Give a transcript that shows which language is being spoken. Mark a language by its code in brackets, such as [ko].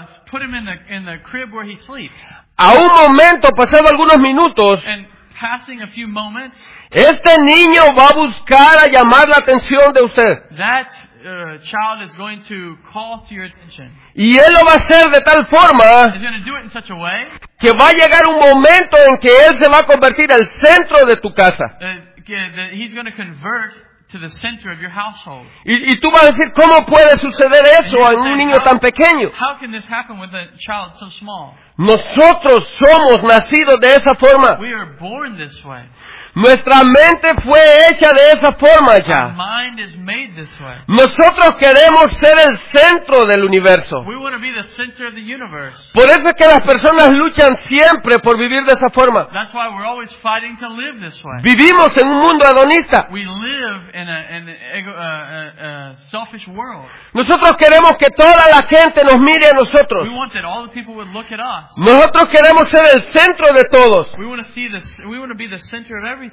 [en] Put him in the crib where he sleeps. [es] A un momento, pasado algunos minutos, [en] passing a few moments, [es] este niño va a buscar a llamar la atención de usted. [en] That child is going to call to your attention. [es] Y él lo va a hacer de tal forma, [en] he's going to do it in such a way, [es] que va a llegar un momento en que él se va a convertir al centro de tu casa. [en] He's going to convert to the center of your household. [es] Y tú vas a decir, ¿cómo puede suceder eso a un niño tan pequeño? [en] How can this happen with a child so small? [es] Nosotros somos nacidos de esa forma. [en] We are born this way. [es] Nuestra mente fue hecha de esa forma ya. [en] Our mind is made this way. [es] Nosotros queremos ser el centro del universo. [en] We want to be the center of the universe. [es] Por eso es que las personas luchan siempre por vivir de esa forma. [en] That's why we're always fighting to live this way. [es] Vivimos en un mundo hedonista. [en] We live in a selfish world. [es] Nosotros queremos que toda la gente nos mire a nosotros. [en] We want that all the people would look at us. [es] Nosotros queremos ser el centro de todos. [en] We want to see this, we want to be the center of everything.